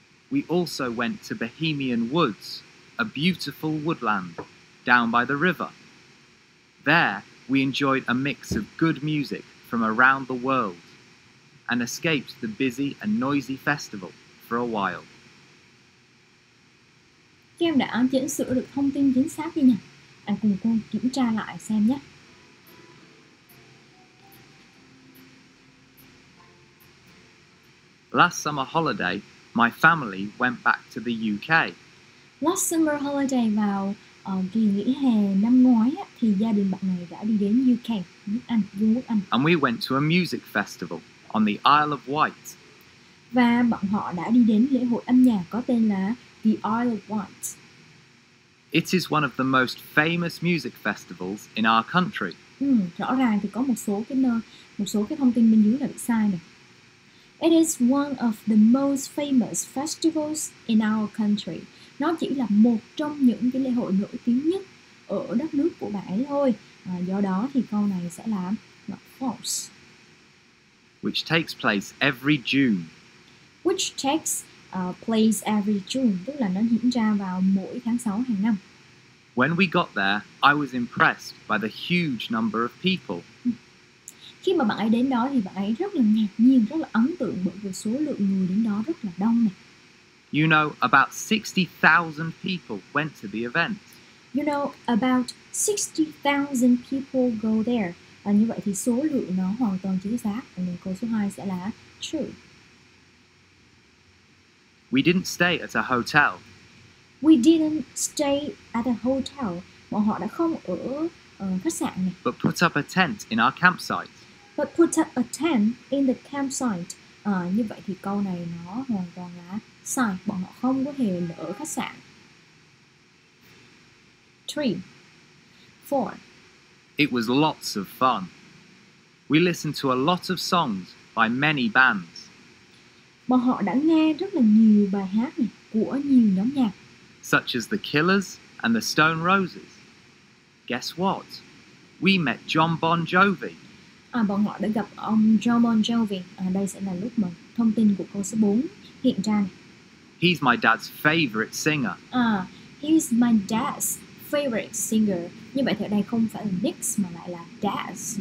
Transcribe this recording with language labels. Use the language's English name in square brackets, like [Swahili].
[English] We also went to Bohemian Woods, a beautiful woodland down by the river. There, we enjoyed a mix of good music from around the world and escaped the busy and noisy festival for a while. [Vietnamese] Các em đã chỉnh sửa được thông tin chính xác chưa nhỉ? Anh cùng cô kiểm tra lại xem nhé. [English] Last summer holiday, my family went back to the UK. Last summer holiday [Vietnamese] vào Kỳ nghỉ hè năm ngoái á, thì gia đình bạn này đã đi đến UK, nước Anh, Vương quốc Anh. [English] And we went to a music festival on the Isle of Wight. [Vietnamese] Và bọn họ đã đi đến lễ hội âm nhạc có tên là The Isle of Wight. [English] It is one of the most famous music festivals in our country. [Vietnamese] Rõ ràng thì có một số cái thông tin bên dưới là bị sai này. [English] It is one of the most famous festivals in our country. [Vietnamese] Nó chỉ là một trong những cái lễ hội nổi tiếng nhất ở đất nước của bạn ấy thôi. À, do đó thì câu này sẽ là [English] not false. Which takes place every June. Which takes place every June, [Vietnamese] tức là nó diễn ra vào mỗi tháng 6 hàng năm. [English] When we got there, I was impressed by the huge number of people. [Vietnamese] Khi mà bạn ấy đến đó thì bạn ấy rất là ngạc nhiên, rất là ấn tượng bởi vì số lượng người đến đó rất là đông này. [English] You know, about 60,000 people went to the event. You know, about 60,000 people go there. [Vietnamese] À, như vậy thì số lượng nó hoàn toàn chính xác. Và câu số 2 sẽ là true. [English] We didn't stay at a hotel. We didn't stay at a hotel. [Vietnamese] Bọn họ đã không ở khách sạn này. [English] But put up a tent in our campsite. But put up a tent in the campsite. [Vietnamese] À, như vậy thì câu này nó hoàn toàn là sai. Bọn họ không có hề ở khách sạn. [English] 3, 4. It was lots of fun. We listened to a lot of songs by many bands. [Vietnamese] Bọn họ đã nghe rất là nhiều bài hát này của nhiều nhóm nhạc. [English] Such as the Killers and the Stone Roses. Guess what? We met John Bon Jovi. [Vietnamese] À, bọn họ đã gặp ông John Bon Jovi. À, đây sẽ là lúc mà thông tin của câu số 4 hiện ra này. [English] He's my dad's favorite singer. À, he's my dad's favorite singer. [Vietnamese] Như vậy thì ở đây không phải là Nick's mà lại là dad's.